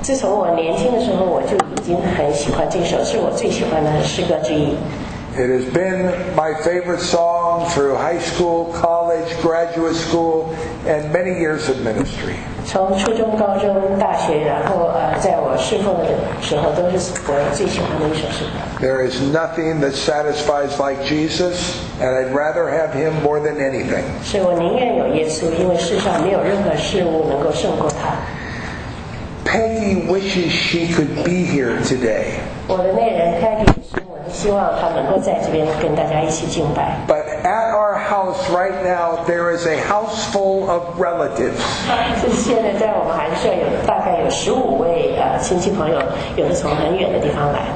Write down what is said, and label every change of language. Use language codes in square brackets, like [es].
[zh] 自从我年轻的时候，我就已经很喜欢这首，是我最喜欢的诗歌之一。 [en] It has been my favorite song through high school, college, graduate school, and many years of ministry. [zh] 从初中、高中、大学，然后在我侍奉的时候，都是我最喜欢的一首诗歌。 [en] There is nothing that satisfies like Jesus, and I'd rather have him more than anything. [zh] 是我宁愿有耶稣，因为世上没有任何事物能够胜过他。 [en] Peggy wishes she could be here today. [zh] 我的那人 Peggy。希望他能够在这边跟大家一起敬拜。 [en] But at our house right now, there is a house full of relatives. [zh] 现在在我们寒舍有大概有15位亲戚朋友，有的从很远的地方来。